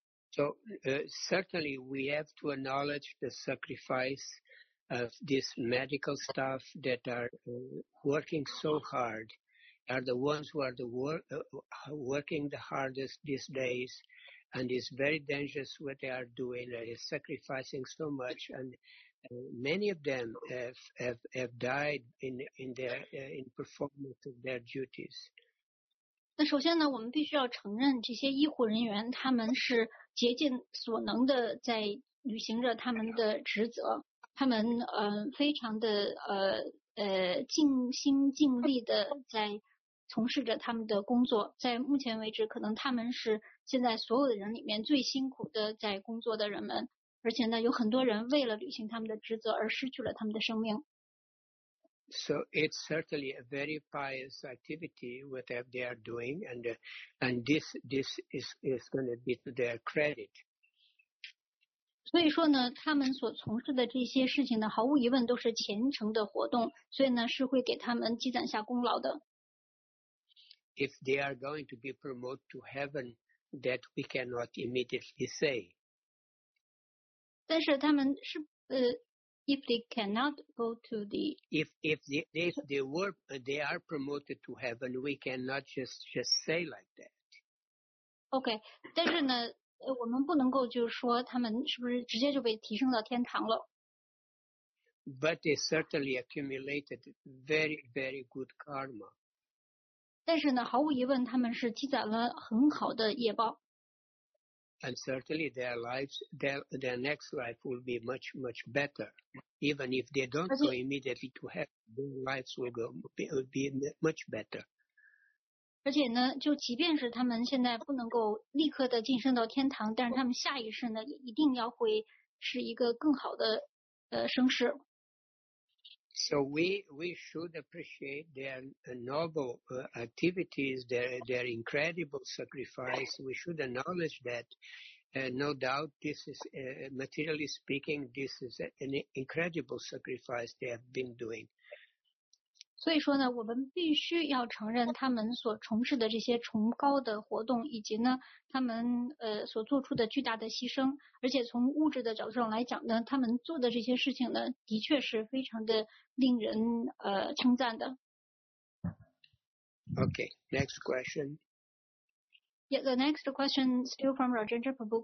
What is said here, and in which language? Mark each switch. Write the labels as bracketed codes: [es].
[en] So, certainly we have to acknowledge the sacrifice of this medical staff that are working so hard, are the ones who are the working the hardest these days, and it's very dangerous what they are doing. They are sacrificing so much, and many of them have died in performance of their duties. [zh] 那首先呢，我们必须要承认这些医护人员他们是竭尽所能的在履行着他们的职责，他们非常的尽心尽力的在从事着他们的工作。在目前为止，可能他们是现在所有的人里面最辛苦的在工作的人们。而且呢，有很多人为了履行他们的职责而失去了他们的生命。 [en] So it's certainly a very pious activity whatever they are doing, and this is going to be to their credit. [zh] 所以说呢，他们所从事的这些事情呢，毫无疑问都是虔诚的活动，所以呢，是会给他们积攒下功劳的。 [en] If they are going to be promoted to heaven, that we cannot immediately say. [zh] 但是他们是 [en] if they cannot go to the if they are promoted to heaven, we cannot just say like that. [zh] Okay, 但是呢，我们不能够就是说他们是不是直接就被提升到天堂了。 [en] But they certainly accumulated very very good karma. [zh] 但是呢，毫无疑问，他们是积攒了很好的业报。 [en] And certainly their lives, their next life will be much, much better. Even if they don't go immediately to heaven, their lives will be much better. [zh] 而且呢，就即便是他们现在不能够立刻的晋升到天堂，但是他们下一世呢，也一定要会是一个更好的生世。 [en] So we should appreciate their noble activities, their incredible sacrifice. We should acknowledge that. No doubt, this is materially speaking, this is an incredible sacrifice they have been doing. [zh] 所以说呢，我们必须要承认他们所从事的这些崇高的活动，以及呢，他们所做出的巨大的牺牲。而且从物质的角度上来讲呢，他们做的这些事情呢，的确是非常的令人称赞的。 [en] Okay, next question. Yeah, the next question still from Rajendra Prabhu.